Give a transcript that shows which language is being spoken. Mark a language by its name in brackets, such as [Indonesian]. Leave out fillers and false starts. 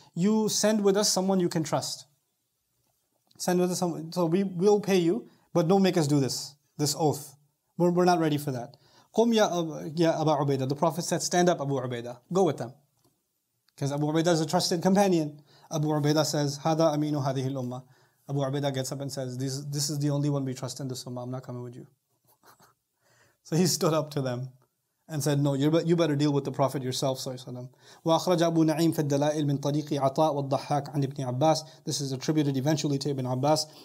[English] You send with us someone you can trust. Send with us someone, so we will pay you, but don't make us do this oath. We're not ready for that. [Arabic] قُمْ يَا أَبَا عُبَيْدَ. [English] The Prophet said, stand up, Abu Ubaidah. Go with them. Because Abu Ubaidah is a trusted companion. Abu Ubaidah says, [Arabic] هَذَا أَمِينُ هَذِهِ الْأُمَّةِ. [English] Abu Ubaidah gets up and says, this is the only one we trust in this Ummah. I'm not coming with you. So he stood up to them and said, no, you better deal with the Prophet yourself, sallallahu alayhi wa sallam. This is attributed eventually to Ibn Abbas.